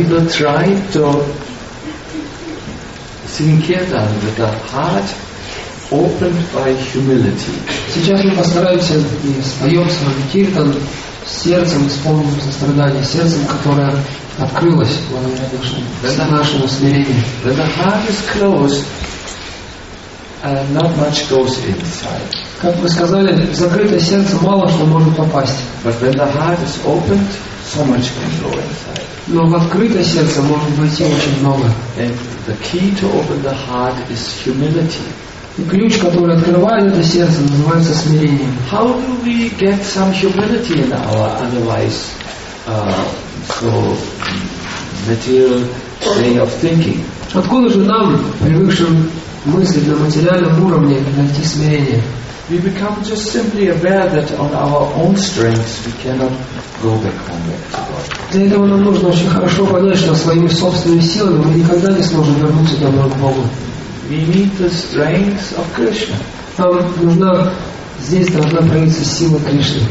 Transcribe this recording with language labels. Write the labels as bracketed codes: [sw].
[en] Try to sing kirtan with a heart opened by humility. [ru] Сейчас мы постараемся и споем с вами киртан с сердцем, с полным состраданием, сердцем, которое открылось благодаря нашему смирению. [en] When the heart is closed, not much goes inside. [ru] Как вы сказали, закрытое сердце мало что может попасть. [en] But when the heart is opened, so much can go inside. [ru] Но в открытое сердце может войти очень много. [en] And the key to open the heart is humility. [ru] И ключ, который открывает это сердце, называется смирением. [en] How do we get some humility in our otherwise so material way of thinking? [ru] Откуда же нам, привыкшим мыслить на материальном уровне, найти смирение? [en] We become just simply aware that on our own strengths we cannot go back home to God. [ru] Для этого нам нужно очень хорошо понять, что своими собственными силами мы никогда не сможем вернуться домой к Богу. [en] We need the strength of Krishna. [ru] Там нужна здесь должна проявиться сила Кришны.